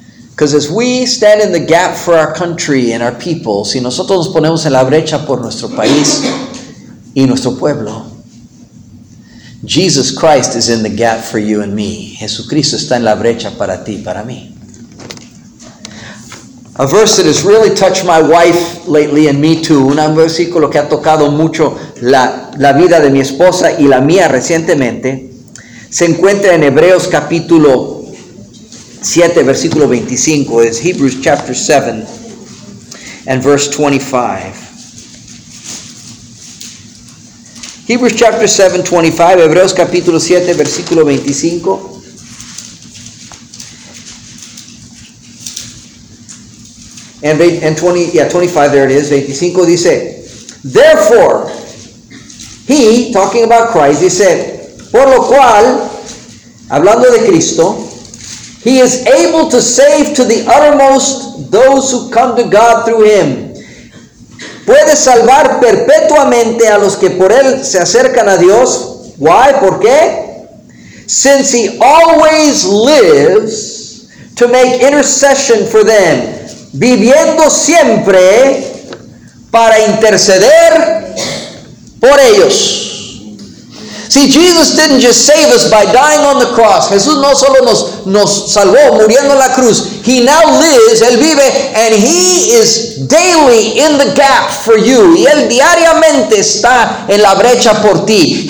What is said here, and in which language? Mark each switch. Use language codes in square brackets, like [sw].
[en] Because as we stand in the gap for our country and our people, [es] si nosotros nos ponemos en la brecha por nuestro país y nuestro pueblo, [en] Jesus Christ is in the gap for you and me. [es] Jesucristo está en la brecha para ti, para mí. [en] A verse that has really touched my wife lately and me too. [es] Un versículo que ha tocado mucho la vida de mi esposa y la mía recientemente se encuentra en Hebreos capítulo 7, versículo 25, es [en] Hebrews chapter 7 and verse 25. Hebrews chapter 7, 25, [es] Hebreos capítulo 7, versículo 25. [en] And 25, there it is, 25 dice, therefore, he, talking about Christ, he said, [es] por lo cual, hablando de Cristo, [en] he is able to save to the uttermost those who come to God through him. [es] Puede salvar perpetuamente a los que por él se acercan a Dios. [en] Why? [es] ¿Por qué? [en] Since he always lives to make intercession for them. [es] Viviendo siempre para interceder por ellos. [en] See, Jesus didn't just save us by dying on the cross. [es] Jesús no solo nos salvó muriendo en la cruz. [en] He now lives, [es] Él vive, [en] and He is daily in the gap for you. [es] Y Él diariamente está en la brecha por ti.